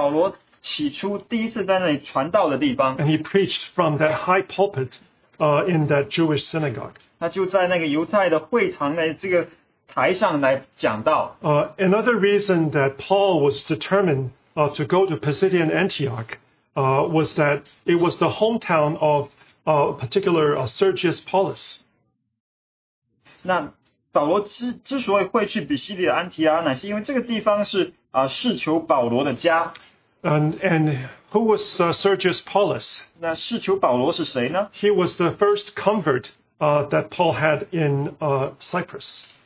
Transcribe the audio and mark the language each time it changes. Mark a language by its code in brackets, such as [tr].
[zh] 我们就站在那个地方呢，就是保罗起初第一次在那里传道的地方。 [en] And he preached from that high pulpit in that Jewish synagogue. [zh] 他就在那个犹太的会堂的这个台上来讲道。 [en] Another reason that Paul was determined to go to Pisidian Antioch was that it was the hometown of a particular Sergius Paulus. [zh] 保罗之所以会去比西利的安提阿，乃是因为这个地方是士囚保罗的家。 [en] And who was Sergius Paulus? [zh] 那士囚保罗是谁呢? [en] He was the first convert that Paul had in Cyprus.